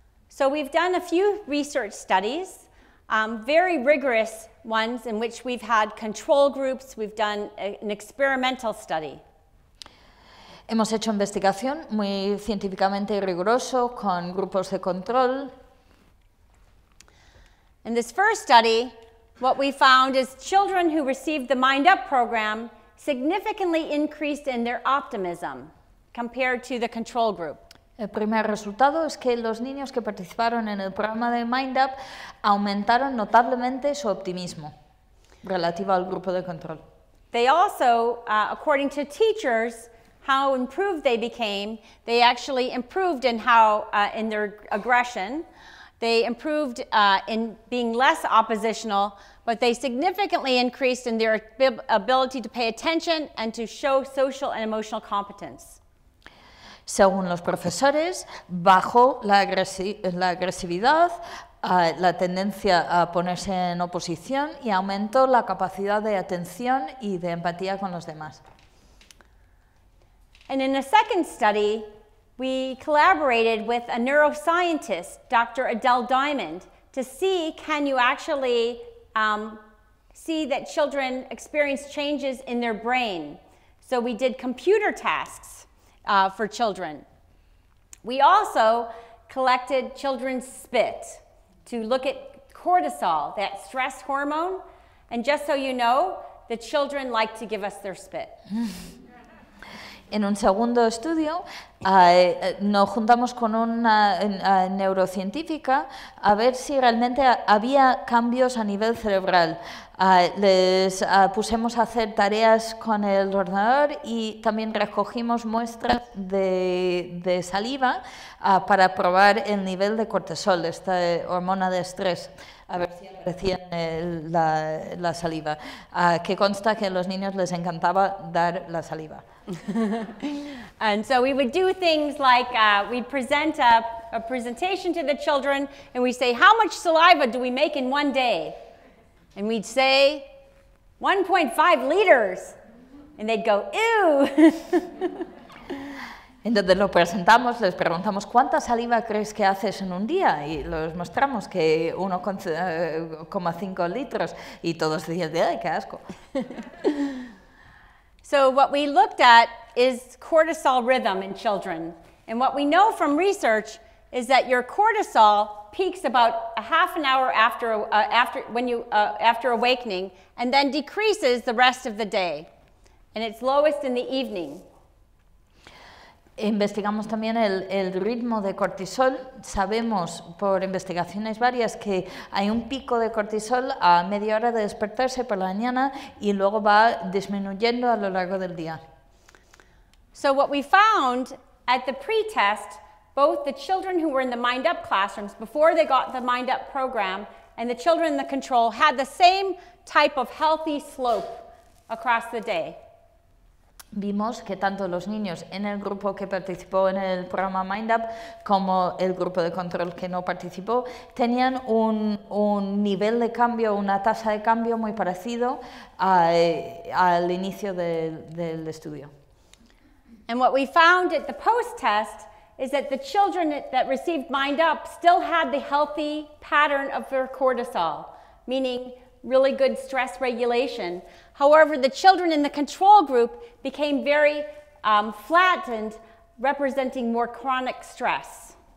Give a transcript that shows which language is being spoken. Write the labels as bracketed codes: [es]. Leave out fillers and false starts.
[en] So we've done a few research studies, very rigorous ones in which we've had control groups, we've done an experimental study. [es] Hemos hecho investigación muy científicamente riguroso con grupos de control. [en] In this first study, what we found is children who received the Mind Up program significantly increased in their optimism compared to the control group. [es] El primer resultado es que los niños que participaron en el programa de Mind Up aumentaron notablemente su optimismo relativo al grupo de control. [en] They also, according to teachers, how improved they became, they actually improved in how in their aggression. They improved in being less oppositional, but they significantly increased in their ability to pay attention and to show social and emotional competence. [es] Según los profesores, bajó la agresividad, la tendencia a ponerse en oposición y aumentó la capacidad de atención y de empatía con los demás. [en] And in a second study, we collaborated with a neuroscientist, Dr. Adele Diamond, to see can you actually see that children experience changes in their brain. So we did computer tasks for children. We also collected children's spit to look at cortisol, that stress hormone. And just so you know, the children like to give us their spit. [es] En un segundo estudio, nos juntamos con una neurocientífica a ver si realmente había cambios a nivel cerebral. Les pusimos a hacer tareas con el ordenador y también recogimos muestras de saliva para probar el nivel de cortisol, esta hormona de estrés. A ver si aparecían la saliva, que consta que a los niños les encantaba dar la saliva. [en] And so we would do things like we present a presentation to the children and we say, how much saliva do we make in one day? And we'd say, 1.5 liters. And they'd go, ew. [es] Entonces lo presentamos, les preguntamos cuánta saliva crees que haces en un día y les mostramos que 1,5 litros y todos decían, ¡ay, qué asco! [en] So what we looked at is cortisol rhythm in children. And what we know from research is that your cortisol peaks about a half an hour after awakening and then decreases the rest of the day. And it's lowest in the evening. [es] Investigamos también el ritmo de cortisol. Sabemos por investigaciones varias que hay un pico de cortisol a media hora de despertarse por la mañana y luego va disminuyendo a lo largo del día. [en] So what we found at the pre-test, both the children who were in the Mind Up classrooms before they got the Mind Up program and the children in the control had the same type of healthy slope across the day. [es] Vimos que tanto los niños en el grupo que participó en el programa Mind Up como el grupo de control que no participó tenían un nivel de cambio, una tasa de cambio muy parecido al inicio del estudio. [en] And what we found at the post-test is that the children that received Mind Up still had the healthy pattern of their cortisol, meaning really good stress regulation. However, the children in the control group became very flattened, representing more chronic stress.